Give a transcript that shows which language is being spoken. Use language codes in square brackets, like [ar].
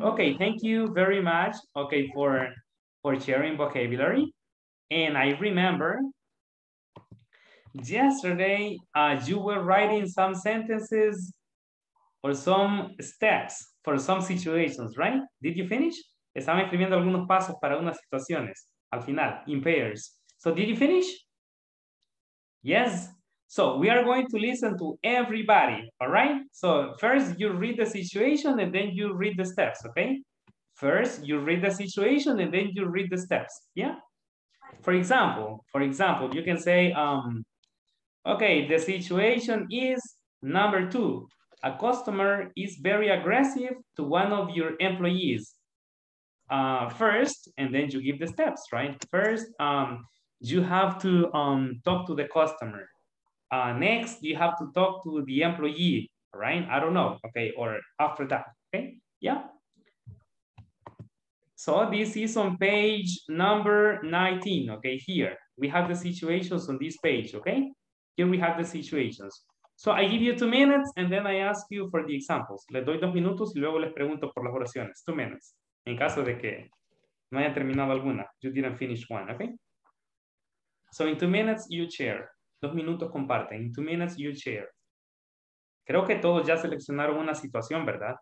[en] Okay, thank you very much, okay, for sharing vocabulary. And I remember yesterday you were writing some sentences or some steps for some situations, right? Did you finish? [es] Estaba escribiendo algunos pasos para unas situaciones al final, [en] in pairs. So did you finish? Yes. So we are going to listen to everybody, all right? So first you read the situation and then you read the steps, okay? First you read the situation and then you read the steps, yeah? For example, you can say, okay, the situation is number two. A customer is very aggressive to one of your employees. First, and then you give the steps, right? First, you have to talk to the customer. Next, you have to talk to the employee, right? I don't know, okay, or after that, okay? Yeah. So this is on page number 19, okay, here. We have the situations on this page, okay? Here we have the situations. So I give you 2 minutes and then I ask you for the examples. [es] Les doy 2 minutos y luego les pregunto por las oraciones. [en] 2 minutes. [es] En caso de que no haya terminado alguna. [en] You didn't finish one, okay? So in 2 minutes, you share. [es] 2 minutos comparten. [en] In 2 minutes, you share. [es] Creo que todos ya seleccionaron una situación, ¿verdad?